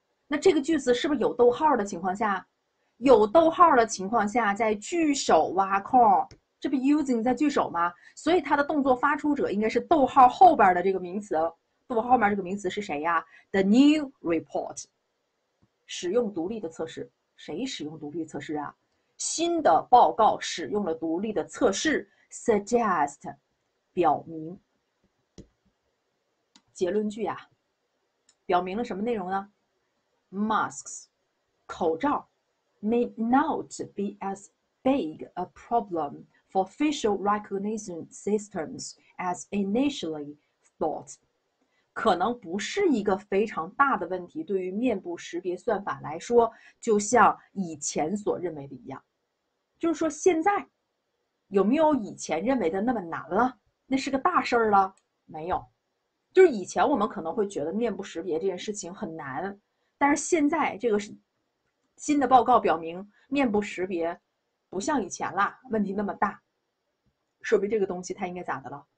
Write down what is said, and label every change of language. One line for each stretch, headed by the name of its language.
Chinese: 那这个句子是不是有逗号的情况下？有逗号的情况下，在句首挖空，这不 using 在句首吗？所以它的动作发出者应该是逗号后边的这个名词，逗号后面这个名词是谁呀？
English: The new report。
Chinese: 使用独立的测试，谁使用独立测试啊？新的报告使用了独立的测试，
English: suggest
Chinese: 表明结论句啊，表明了什么内容呢？
English: Masks
Chinese: 口罩
English: may not be as big a problem for facial recognition systems as initially thought。
Chinese: 可能不是一个非常大的问题，对于面部识别算法来说，就像以前所认为的一样，就是说现在有没有以前认为的那么难了？那是个大事儿了？没有，就是以前我们可能会觉得面部识别这件事情很难，但是现在这个新的报告表明，面部识别不像以前啦，问题那么大，说明这个东西它应该咋的了？